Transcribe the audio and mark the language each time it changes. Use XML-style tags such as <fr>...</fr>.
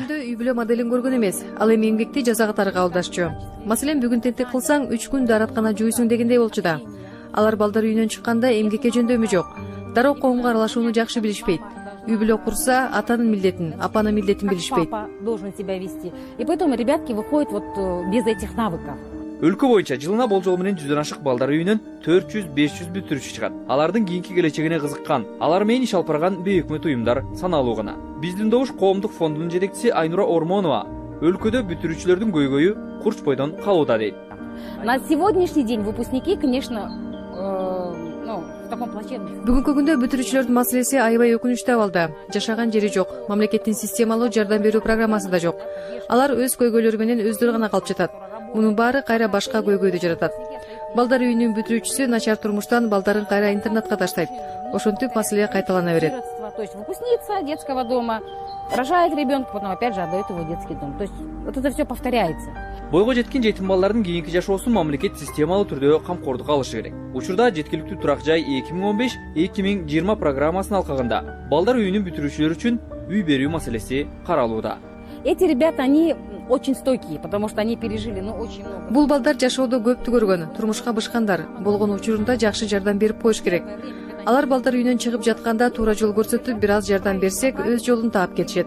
<ky>Алар балдар үйүндө үй бүлө моделин көргөн эмес, ал эми эмгекти жаза катары калдашчу. Маселен, бүгүн тентек кылсаң 3 күн дараткана жүйсүң дегендей болчу да. Алар балдар үйүнөн чыкканда эмгекке жөндөмү жок, дароо коомго аралашууну жакшы билишпейт. Үй бүлө курса атанын милдетин, апанын милдетин билишпейт.</ky> <ru>И поэтому ребятки выходят вот без этих навыков.</ru> <ky>Өлкө боюнча жылына болжол менен 100 ашык балдар үйүнөн 400-500 бүтүрүүчү чыгат. Алардын кийинки келечегине кызыккан, алар менен иш алып барган бейөкмөт уюмдар саналуу гана. Биздин добуш коомдук фондунун жетекчиси Айнура Ормонова өлкөдө бүтүрүүчүлөрдүн көйгөйү курч бойдон калууда дейт.</ky> <ru>На сегодняшний день выпускники, конечно,</ru> <ky>Бүгүнкү күндө бүтүрүүчүлөрдүн маселеси аябай өкүнүчтүү абалда. Жашаган жери жок, мамлекеттин системалуу жардам берүү программасы да жок. Алар өз көйгөйлөрү менен өздөрү гана калып жатат. Мунун баары кайра башка көйгөйдү жаратат. Балдар үйүнүн бүтүрүүчүсү начар турмуштан балдарын кайра интернатка таштайт. Ошентип маселе кайталана берет.</ky> <ru>То есть выпускница детского дома рожает ребенка, потом опять же отдает его в детский дом. То есть это все повторяется.</ru> <ky>Бойго жеткен жетим балдардын кийинки жашоосун мамлекет системалуу түрдө камкордук алышы керек. Учурда жеткиликтүү турак жай 2015-2020 программасынын алкагында балдар үйүнүн бүтүрүүчүлөр үчүн үй берүү маселеси каралууда.</ky> <ru>Эти ребята, они очень стойкие, потому что они пережили, очень много.</ru> <ky>Бул балдар жашоодо көптү көргөн, турмушка бышкандар. Болгон учурунда жакшы жардам берип коюш керек. Алар балдар үйүнөн чыгып жатканда туура жол көрсөтүп, бир аз жардам берсек, өз жолун таап кетишет.</ky>